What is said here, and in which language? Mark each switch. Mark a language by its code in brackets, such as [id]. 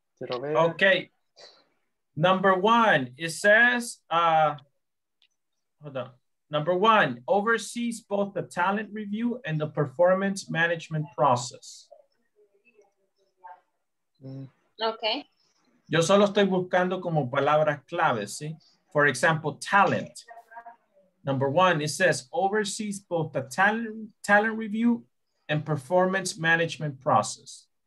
[en] Okay. Number one, it says, hold on. Number one, oversees both the talent review and the performance management process. Okay. [es] Yo solo estoy buscando como palabras claves, ¿sí? [en] For example, talent. Number one, it says, oversees both the talent review and performance management process.